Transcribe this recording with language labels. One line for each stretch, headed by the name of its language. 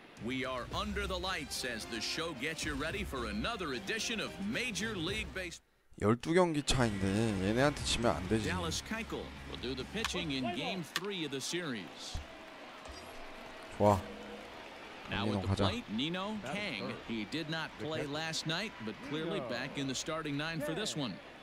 English: We are under the lights as the show gets you ready for another edition of Major League Baseball.
Korean: 12경기 차인데 얘네한테 지면 안 되지.
English: Dallas Keuchel will do the pitching in game 3 of the series.
Korean: 좋아.
English: Now with the plate,
Korean: 가자.
English: Nino Kang. He did not play last night, but clearly back in the starting nine for this one.